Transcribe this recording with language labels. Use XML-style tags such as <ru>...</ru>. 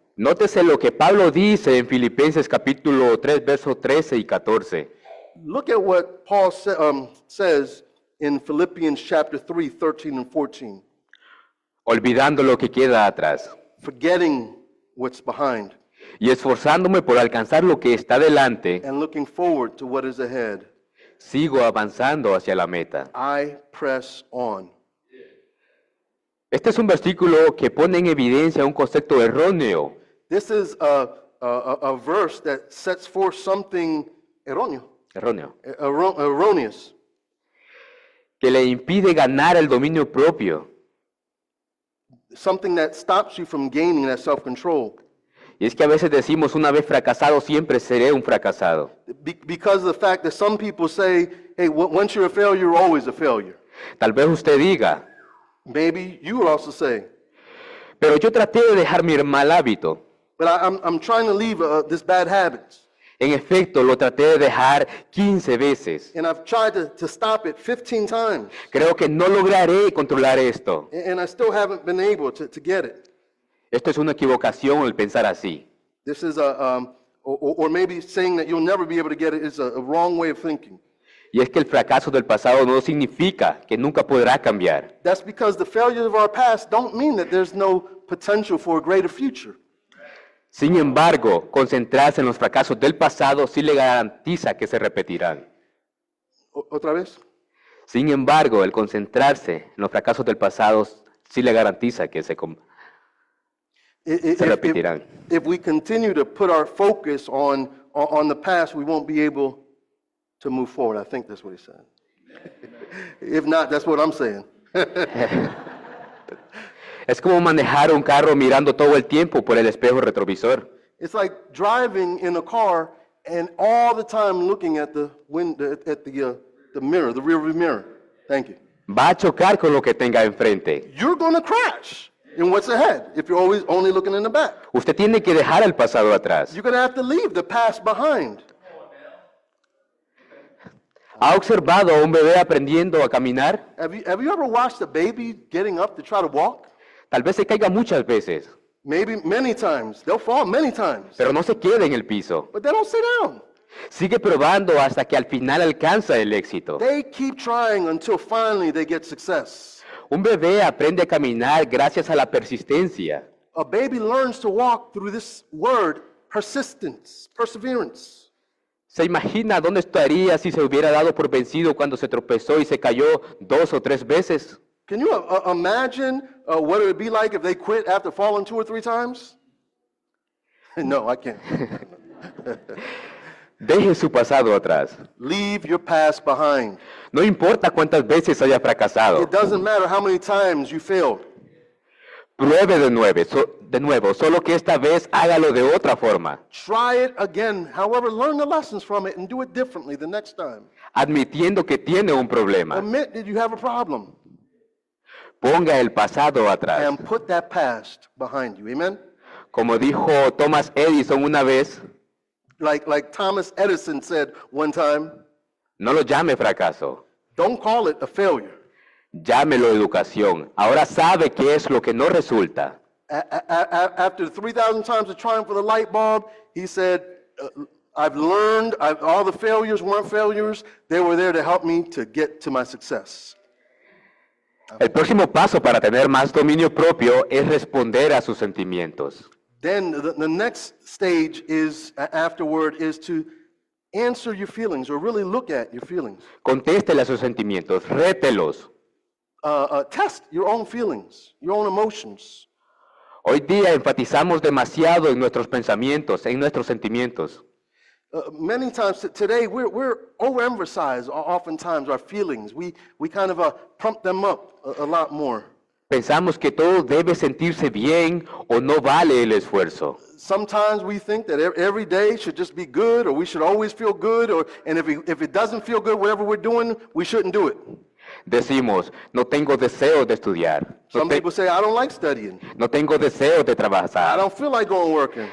<es>Nótese lo que Pablo dice en Filipenses capítulo 3, versos 13 y 14.</es> <en>Look at what Paul says in Philippians chapter 3, 13 and 14.</en> <es>Olvidando lo que queda atrás.</es> <en>Forgetting what's behind.</en> <es>Y esforzándome por alcanzar lo que está delante.</es> <en>And looking forward to what is ahead.</en> <es>Sigo avanzando hacia la meta.</es> <en>I press on.</en> <es>Este es un versículo que pone en evidencia un concepto erróneo.</es> <en>This is a verse that sets forth something erróneo.</en> <es>Erróneo.</es> <en>Erroneous.</en> <es>Que le impide ganar el dominio propio.</es> <en>Something that stops you from gaining that self-control.</en> <es>Y es que a veces decimos, una vez fracasado, siempre seré un fracasado.</es> <en>Because of the fact that some people say, hey, once you're a failure, you're always a failure.</en> <es>Tal vez usted diga.</es> <en>Maybe you would also say.</en> <es>Pero yo traté de dejar mi mal hábito.</es> <en>But I'm trying to leave this bad habit.</en> <es>En efecto, lo traté de dejar 15 veces.</es> <en>And I've tried to stop it 15 times.</en> <es>Creo que no lograré controlar esto.</es> <en>And I still haven't been able to get it.</en> <es>Esto es una equivocación el pensar así.</es> <en>This is or maybe saying that you'll never be able to get it is a wrong way of thinking.</en> <es>Y es que el fracaso del pasado no significa que nunca podrá cambiar.</es> <en>That's because the failures of our past don't mean that there's no potential for a greater future.</en> <es>Sin embargo, concentrarse en los fracasos del pasado sí le garantiza que se repetirán. ¿Otra vez? Sin embargo, el concentrarse en los fracasos del pasado sí le garantiza que se repetirán.</es> <en>If we continue to put our focus on the past, we won't be able to move forward. I think that's what he said. If not, that's what I'm saying.</en> <es>Es como manejar un carro mirando todo el tiempo por el espejo retrovisor.</es> <en>It's like driving in a car and all the time looking at the window, at the mirror, the rearview mirror. Thank you.</en> <es>Va a chocar con lo que tenga enfrente.</es> <en>You're going to crash in what's ahead if you're always only looking in the back.</en> <es>Usted tiene que dejar el pasado atrás.</es> <en>You're going to have to leave the past behind.</en> <es>¿Ha observado a un bebé aprendiendo a caminar?</es> <en>Have you ever watched a baby getting up to try to walk?</en> <es>Tal vez se caiga muchas veces.</es> <en>Maybe many times. They'll fall many times.</en> <es>Pero no se quede en el piso.</es> <en>But they don't sit down.</en> <es>Sigue probando hasta que al final alcanza el éxito.</es> <en>They keep trying until finally they get success.</en> <es>Un bebé aprende a caminar gracias a la persistencia.</es> <en>A baby learns to walk through this word, persistence, perseverance.</en> <es>¿Se imagina dónde estaría si se hubiera dado por vencido cuando se tropezó y se cayó dos o tres veces?</es> <en>Can you imagine what it would be like if they quit after falling two or three times? No, I can't.</en> <es>Deje su pasado atrás.</es> <en>Leave your past behind.</en> <es>No importa cuántas veces haya fracasado.</es> <en>It doesn't matter how many times you failed.</en> <es>Pruebe de nuevo, solo que esta vez hágalo de otra forma.</es> <en>Try it again. However, learn the lessons from it and do it differently the next time.</en> <es>Admitiendo que tiene un problema.</es> <en>Admit that you have a problem.</en> <es>Ponga el pasado atrás.</es> <en>And put that past behind you. Amen.</en> <es>Como dijo Thomas Edison una vez.</es> <en>Like Thomas Edison said one time.</en> <es>No lo llame fracaso.</es> <en>Don't call it a failure.</en> <es>Llámelo educación. Ahora sabe qué es lo que no resulta.</es> <en>After 3,000 times of trying for the light bulb, he said, I've learned, all the failures weren't failures. They were there to help me to get to my success.</en> <es>El próximo paso para tener más dominio propio es responder a sus sentimientos.</es> <en>Then the next stage is afterward is to answer your feelings or really look at your feelings.</en> <es>Contéstele a sus sentimientos, rételos.</es> <en>Test your own feelings, your own emotions.</en> <es>Hoy día enfatizamos demasiado en nuestros pensamientos, en nuestros sentimientos.</es> <en>Many times today we're overemphasized oftentimes our feelings. We kind of pump them up a lot more.</en> <es>Pensamos que todo debe sentirse bien o no vale el esfuerzo.</es> <en>Sometimes we think that every day should just be good or we should always feel good or and if it doesn't feel good whatever we're doing, we shouldn't do it.</en> <es>Decimos, no tengo deseo de estudiar.</es> <en>People say, I don't like studying.</en> <es>No tengo deseo de trabajar.</es> <en>I don't feel like going working.</en>